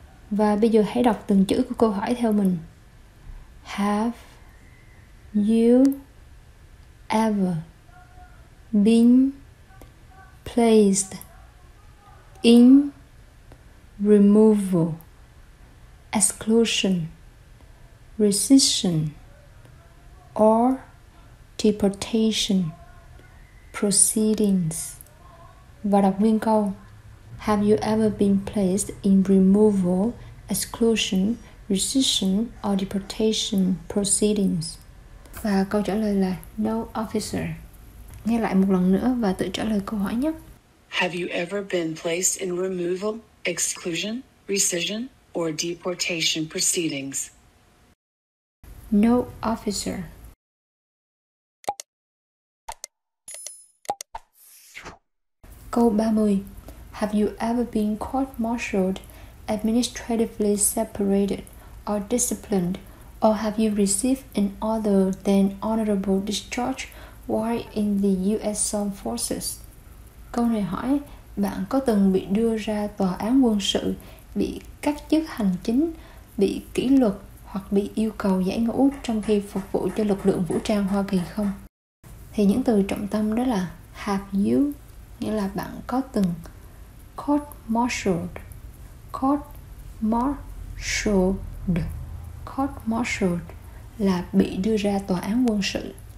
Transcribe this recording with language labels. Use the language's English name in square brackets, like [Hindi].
[Vietnamese] Và bây giờ hãy đọc từng chữ của câu hỏi theo mình. [English] Have you ever been placed in removal, exclusion, rescission, or deportation proceedings? [Vietnamese] Và đọc nguyên câu. [English] Have you ever been placed in removal, exclusion, rescission, or deportation proceedings? [Vietnamese] Và câu trả lời là [English] no, officer. [Vietnamese] Nghe lại một lần nữa và tự trả lời câu hỏi nhé. [English] Have you ever been placed in removal, exclusion, rescission, or deportation proceedings? No, officer. [Vietnamese] Câu 30. [English] Have you ever been court-martialed, administratively separated, or disciplined, or have you received an other than honorable discharge while in the U.S. Armed Forces? [Vietnamese] Câu này hỏi, bạn có từng bị đưa ra tòa án quân sự, bị cách chức hành chính, bị kỷ luật hoặc bị yêu cầu giải ngũ trong khi phục vụ cho lực lượng vũ trang Hoa Kỳ không? Thì những từ trọng tâm đó là have you, nghĩa là bạn có từng court-martialed là bị đưa ra tòa án quân sự.